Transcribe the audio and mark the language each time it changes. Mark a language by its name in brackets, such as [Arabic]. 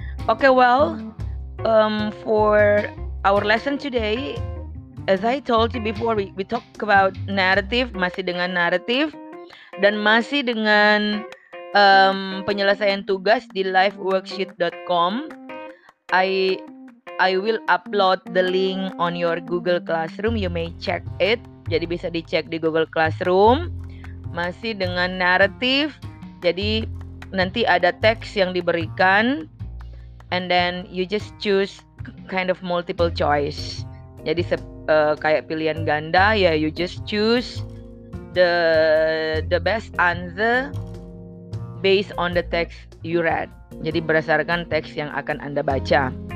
[English] Okay, well, for our lesson today, as I told you before, we talk about narrative, [Indonesian] masih dengan narrative, dan masih dengan penyelesaian tugas di liveworksheet.com. [English] I will upload the link on your Google Classroom. You may check it. [Indonesian] Jadi bisa dicek di Google Classroom. Masih dengan narrative. Jadi nanti ada teks yang diberikan, [English] and then you just choose kind of multiple choice. [Indonesian] Jadi kayak pilihan ganda, ya, [English] you just choose the best answer based on the text you read. [Indonesian] Jadi berdasarkan teks yang akan Anda baca.